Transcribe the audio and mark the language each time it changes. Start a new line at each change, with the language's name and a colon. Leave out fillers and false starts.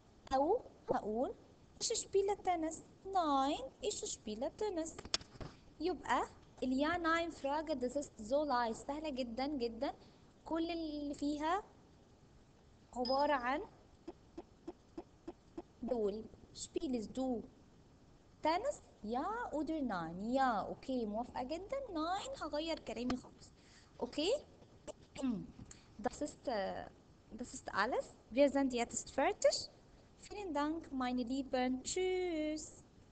German: Au, haul, ich spiele Tennis. Nein, ich spiele Tennis.
Arabic: يبقى ال
German: Ja-Nein-Frage, das ist so leicht,
Arabic: سهلة جدا جدا. كل اللي فيها عبارة عن دول.
German: Spielst du Tennis? Ja oder nein? Ja, okay,
Arabic: موافقة جدا.
German: Nein,
Arabic: هغير كلامي خالص.
German: Okay, das ist. Das ist alles. Wir sind jetzt fertig. Vielen Dank, meine Lieben. Tschüss.